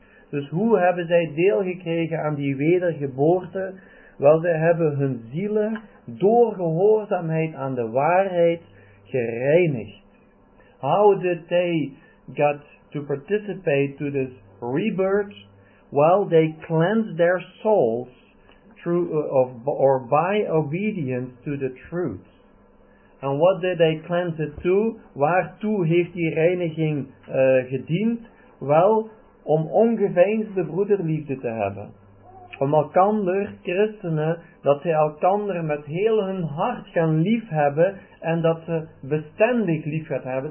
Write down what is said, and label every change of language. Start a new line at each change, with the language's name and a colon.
Dutch: Dus hoe hebben zij deel gekregen aan die wedergeboorte? Wel, zij hebben hun zielen door gehoorzaamheid aan de waarheid gereinigd.
English: How did they get to participate to this rebirth? Well, they cleansed their souls by obedience to the truth. And what did they cleanse it to?
Dutch: Waartoe heeft die reiniging gediend? Wel, om ongeveinsde broederliefde te hebben. Om elkander, christenen, dat zij elkander met heel hun hart gaan liefhebben en dat ze bestendig lief gaan hebben.